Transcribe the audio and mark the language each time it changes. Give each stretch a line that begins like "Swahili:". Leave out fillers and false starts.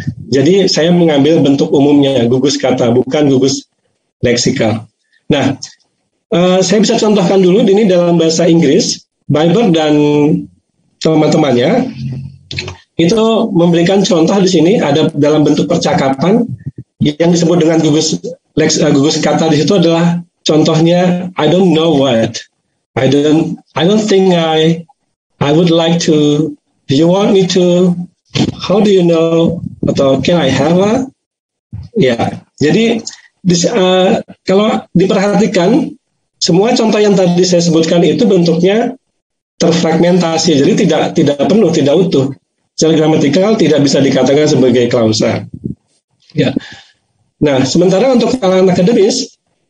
Indonesian: Jadi saya mengambil bentuk umumnya gugus kata, bukan gugus leksikal. Nah, saya bisa contohkan dulu ini dalam bahasa Inggris. Bybee dan teman-temannya itu memberikan contoh di sini, ada dalam bentuk percakapan yang disebut dengan gugus kata. Di situ adalah contohnya,
English: I don't know what, I don't think I would like to, do you want me to, how do you know,
Indonesian: atau
English: can I have a, ya.
Indonesian: Jadi kalau diperhatikan, semua contoh yang tadi saya sebutkan itu bentuknya terfragmentasi, jadi tidak penuh, tidak utuh. Secara gramatikal tidak bisa dikatakan sebagai klausa. Ya. Nah, sementara untuk kalangan akademis,